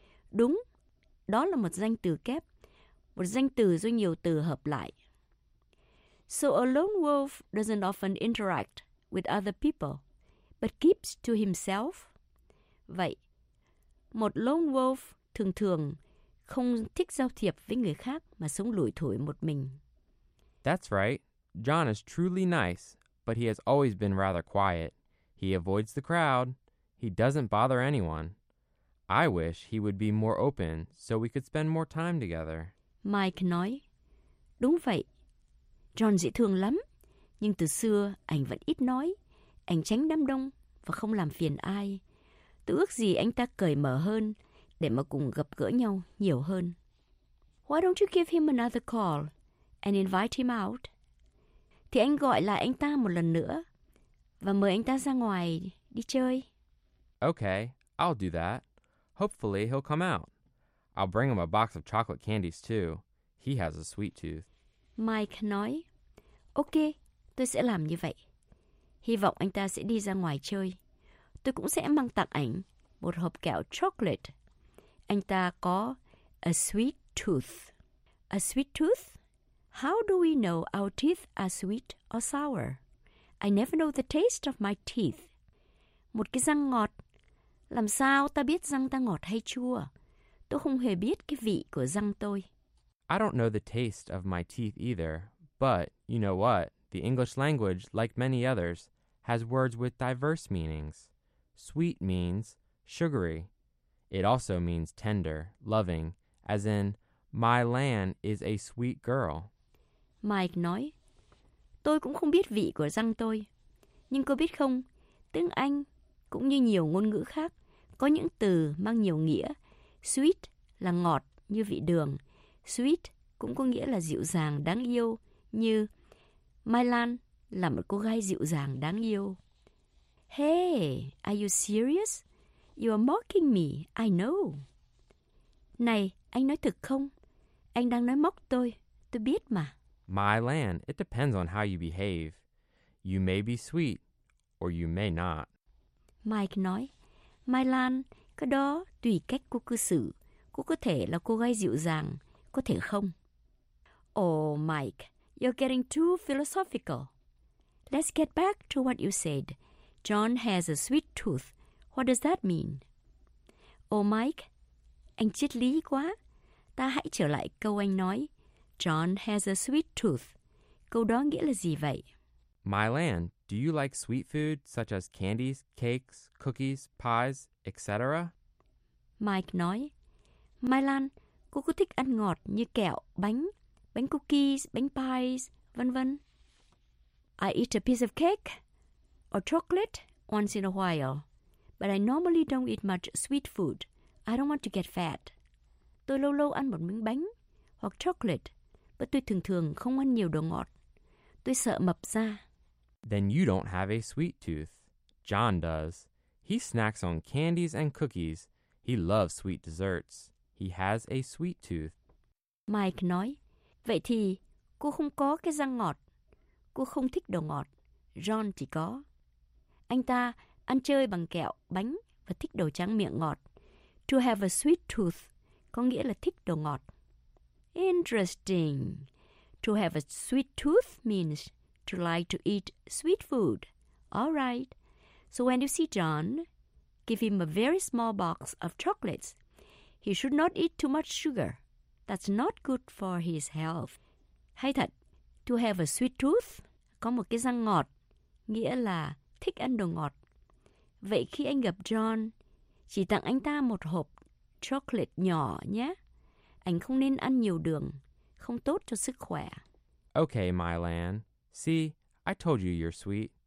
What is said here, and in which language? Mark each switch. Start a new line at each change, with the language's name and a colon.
Vietnamese: Đúng, đó là một danh từ kép, một danh từ do nhiều từ hợp lại.
English: So a lone wolf doesn't often interact with other people, but keeps to himself.
Vietnamese: Vậy, một lone wolf thường thường không thích giao thiệp với người khác mà sống lủi thủi một mình.
English: That's right. John is truly nice, but he has always been rather quiet. He avoids the crowd. He doesn't bother anyone. I wish he would be more open so we could spend more time together.
Vietnamese: Mike nói, đúng vậy. John dễ thương lắm, nhưng từ xưa anh vẫn ít nói. Anh tránh đám đông và không làm phiền ai. Tôi ước gì anh ta cởi mở hơn để mà cùng gặp gỡ nhau nhiều hơn.
English: Why don't you give him another call and invite him out?
Vietnamese: Thì anh gọi lại anh ta một lần nữa và mời anh ta ra ngoài đi chơi.
English: Okay, I'll do that. Hopefully he'll come out. I'll bring him a box of chocolate candies too. He has a sweet tooth.
Vietnamese: Mike nói, okay, tôi sẽ làm như vậy. Hy vọng anh ta sẽ đi ra ngoài chơi. Tôi cũng sẽ mang tặng anh một hộp kẹo chocolate. Anh ta có
English: a sweet tooth. A sweet tooth? How do we know our teeth are sweet or sour? I never know the taste of my teeth.
Vietnamese: Một cái răng ngọt. Làm sao ta biết răng ta ngọt hay chua? Tôi không hề biết cái vị của răng tôi.
English: I don't know the taste of my teeth either. But, you know what? The English language, like many others, has words with diverse meanings. Sweet means sugary. It also means tender, loving, as in, my Lan is a sweet girl.
Vietnamese: Mike nói, tôi cũng không biết vị của răng tôi. Nhưng cô biết không, tiếng Anh cũng như nhiều ngôn ngữ khác có những từ mang nhiều nghĩa. Sweet là ngọt như vị đường. Sweet cũng có nghĩa là dịu dàng, đáng yêu như My Lan là một cô gái dịu dàng, đáng yêu.
English: Hey, are you serious? You are mocking me, I know.
Vietnamese: Này, anh nói thật không? Anh đang nói móc tôi biết mà.
English: My Lan, it depends on how you behave. You may be sweet, or you may not.
Vietnamese: Mike nói, My Lan, cái đó tùy cách cô cư xử. Cô có thể là cô gái dịu dàng, có thể không?
English: Oh, Mike, you're getting too philosophical. Let's get back to what you said. John has a sweet tooth. What does that mean?
Vietnamese: Oh, Mike, anh triết lý quá. Ta hãy trở lại câu anh nói.
English: John has a sweet tooth.
Vietnamese: Câu đó nghĩa là gì vậy?
English: My Lan, do you like sweet food such as candies, cakes, cookies, pies, etc.?
Vietnamese: Mike nói, My Lan, cô có thích ăn ngọt như kẹo, bánh, bánh cookies, bánh pies, vân vân.
English: I eat a piece of cake or chocolate once in a while, but I normally don't eat much sweet food. I don't want to get fat.
Vietnamese: Tôi lâu lâu ăn một miếng bánh hoặc chocolate, but tôi thường thường không ăn nhiều đồ ngọt. Tôi sợ mập ra.
English: Then you don't have a sweet tooth. John does. He snacks on candies and cookies. He loves sweet desserts. He has a sweet tooth.
Vietnamese: Mike nói, vậy thì cô không có cái răng ngọt. Cô không thích đồ ngọt. John chỉ có. Anh ta ăn chơi bằng kẹo, bánh và thích đồ tráng miệng ngọt.
English: To have a sweet tooth
Vietnamese: có nghĩa là thích đồ ngọt.
English: Interesting. To have a sweet tooth means to like to eat sweet food. All right. So when you see John, give him a very small box of chocolates. He should not eat too much sugar. That's not good for his health.
Vietnamese: Hay thật,
English: to have a sweet tooth,
Vietnamese: có một cái răng ngọt, nghĩa là thích ăn đồ ngọt. Vậy khi anh gặp John, chỉ tặng anh ta một hộp chocolate nhỏ nhé. Anh không nên ăn nhiều đường, không tốt cho sức khỏe.
English: Okay, Mylan. See, I told you you're sweet.